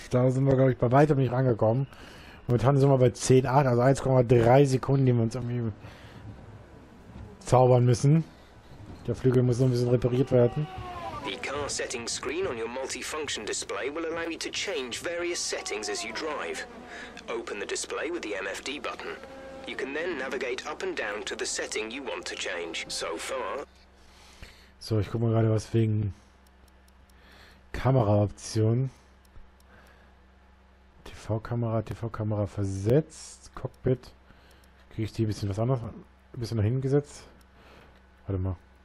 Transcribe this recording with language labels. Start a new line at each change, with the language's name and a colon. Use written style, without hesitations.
German: Da sind wir, glaube ich, bei weitem nicht rangekommen. Momentan sind wir bei 10,8, also 1,3 Sekunden, die wir uns irgendwie zaubern müssen. Der Flügel muss noch ein bisschen repariert werden.
English: The car setting screen on your multifunction display will allow you to change various settings as you drive. Open the display with the MFD button. You can then navigate up and down to the setting you want to change. So far.
German: So, ich guck mal gerade was wegen Kameraoption. TV-Kamera versetzt. Cockpit. Kriege ich die ein bisschen was anderes? Ein bisschen dahin gesetzt. Warte mal.